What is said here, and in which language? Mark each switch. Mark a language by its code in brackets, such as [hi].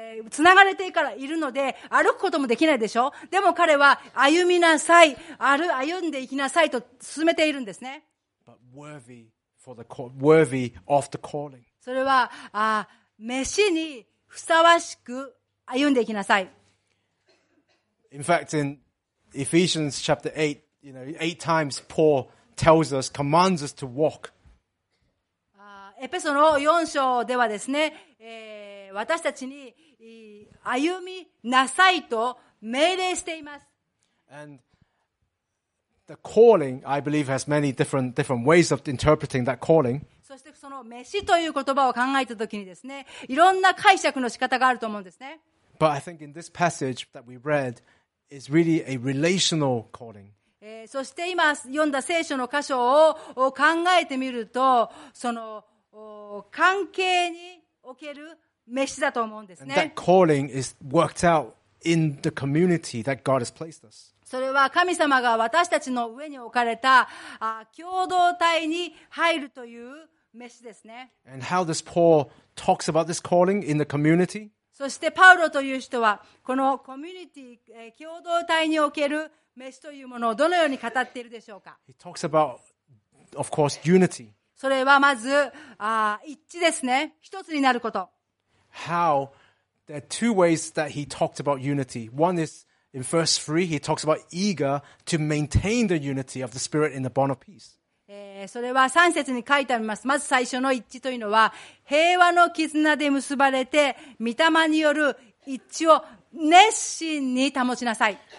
[ja] つながれていからいるので、歩くこともできないでしょ。でも彼は歩みなさい、歩んでいきなさいと進めているんですね。 [en] But worthy. For the call, worthy of the calling. [ja] それは召しにふさわしく歩んでいきなさい。 [en] In fact, in Ephesians chapter 8, you know, eight times Paul tells us, commands us to walk. [ja] エペソの4章ではですね、私たちに歩みなさいと命令しています。 [en] And The calling, I believe, has many different ways of interpreting that calling. [ja] そしてその召しという言葉を考えたときにですね、いろんな解釈の仕方があると思うんですね。 [en] But I think in this passage that we read is really a relational calling. [ja] そして今読んだ聖書の箇所を考えてみると、その関係における召しだと思うんですね。 [en] That calling is worked out in the community that God has placed us. [ja] それは神様が私たちの上に置かれた共同体に入るという召しですね。 [en] And how does Paul talks about this calling in the community? [ja] そしてパウロという人はこのコミュニティ、共同体における召しというものをどのように語っているでしょうか。 [en] He talks about, of course, unity. [ja] それはまず一致ですね。一つになること。 [en] How there are two ways that he talked about unity. One is in verse 3, he talks about eager to maintain the unity of the spirit in the bond of peace. [ja] それは3節に書いてあります。まず最初の一致というのは平和の絆で結ばれて御霊による一致を熱心に保ちなさい。